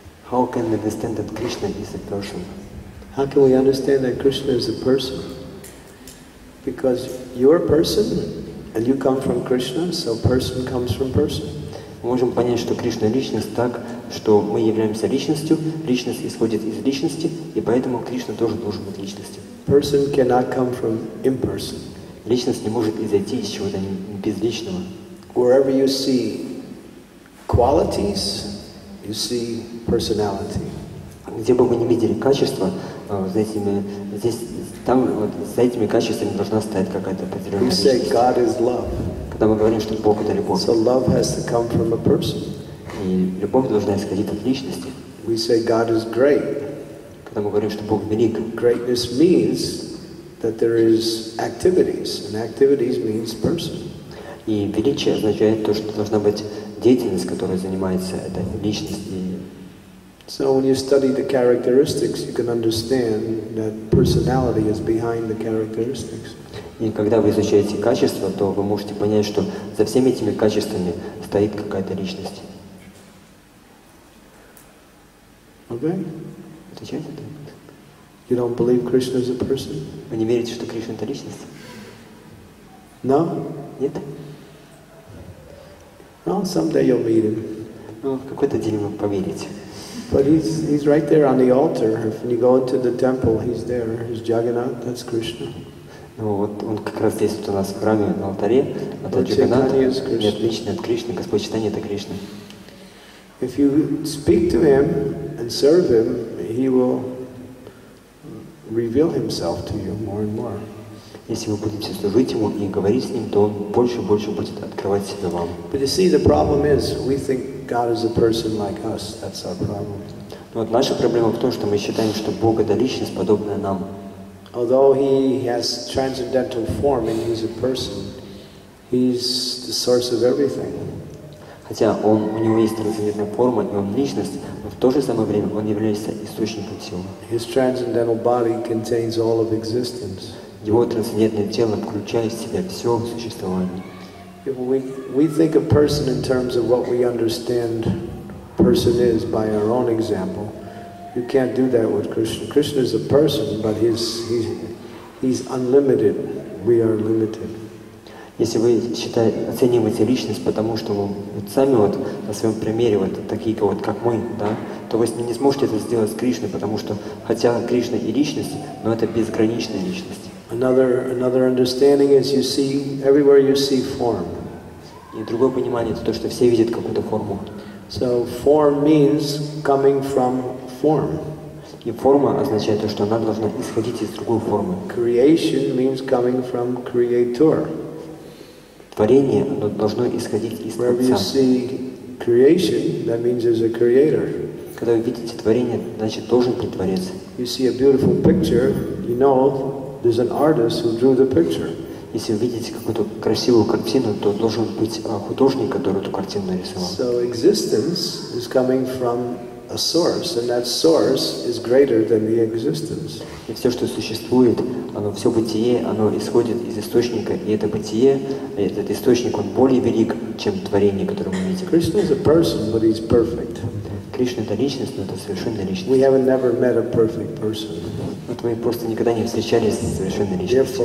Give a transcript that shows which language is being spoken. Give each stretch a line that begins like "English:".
English: How can we understand that Krishna is a person? How can we understand that Krishna is a person? Because you're a person, and you come from Krishna, so person comes from person.
Russian: Мы можем понять, что Кришна личность так, что мы являемся личностью, личность исходит из личности, и поэтому Кришна тоже должен быть личностью.
English: Person cannot come from imperson.
Russian: Личность не может изойти из чего-то безличного.
English: Wherever you see qualities, you see personality.
Russian: Где бы мы ни видели качества, за этими качествами должна стоять какая-то определенная личность.
English: We say God is love.
Russian: Когда мы говорим, что Бог — это любовь.
English: So love has to come from a person.
Russian: И любовь должна исходить от личности.
English: We say God is great.
Russian: Когда мы говорим, что Бог велик.
English: Greatness means that there is activities, and activities means person.
Russian: И величие означает то, что должна быть деятельность, которой занимается эта личность.
English: So when you study the characteristics, you can understand that personality is behind the characteristics.
Russian: И когда вы изучаете качества, то вы можете понять, что за всеми этими качествами стоит какая-то личность.
English: Okay.
Russian: Отвечаете?
English: You don't believe Krishna is a person?
Russian: Вы не верите, что Кришна — это личность?
English: No.
Russian: Нет?
English: Well, someday you'll meet him.
Russian: Ну, в какой-то день вы поверите.
English: But he's right there on the altar. If you go into the temple, he's there. He's Jagannath, that's Krishna.
Russian: Ну вот он как раз здесь вот у нас в храме на алтаре. Это Джаганнат. Нет, лично от Кришны. Господь Читания — это Кришна.
English: If you speak to him and serve him, he will reveal himself to you more and more.
Russian: Если вы будете служить ему и говорить с ним, то он больше и больше будет открывать себя вам.
English: But you see, the problem is, we think God is a person like us. That's our problem.
Russian: Но вот наша проблема в том, что мы считаем, что Бог — это личность, подобная нам.
English: Although he has transcendental form and he's a person, he's the source of everything.
Russian: Хотя у него есть трансцендентная форма, и он личность, но в то же самое время он является источником всего.
English: His transcendental body contains all of existence.
Russian: Его трансцендентное тело включает в себя все существование.
English: We think of person in terms of what we understand person is by our own example. You can't do that with Krishna. Krishna is a person, but he's unlimited. We are limited.
Russian: Если вы оцениваете личность, потому что вы сами вот на своем примере вот такие вот как мы, да, то вы не сможете это сделать с Кришной, потому что хотя Кришна и личность, но это безграничная личность.
English: Another understanding is you see everywhere you see form.
Russian: И другое понимание — это то, что все видят какую-то форму.
English: So form means coming from form.
Russian: И форма означает то, что она должна исходить из другой формы.
English: Creation means coming from creator.
Russian: Творение, оно должно исходить из Творца.
English: Wherever you see creation, that means there's a creator.
Russian: Когда вы видите творение, значит, должен быть Творец.
English: You see a beautiful picture, you know there's an artist who drew the picture.
Russian: Если вы видите какую-то красивую картину, то должен быть художник, который эту картину нарисовал.
English: So existence is coming from a source, and that source is greater than the existence.
Russian: И все, что существует, оно все бытие, оно исходит из источника, и это бытие, этот источник, он более велик, чем творение, которое мы видим.
English: Krishna is a person, but he's perfect.
Russian: Кришна — это личность, но это совершенная личность.
English: We have never met a perfect person.
Russian: Вот мы просто никогда не встречались с совершенной личностью.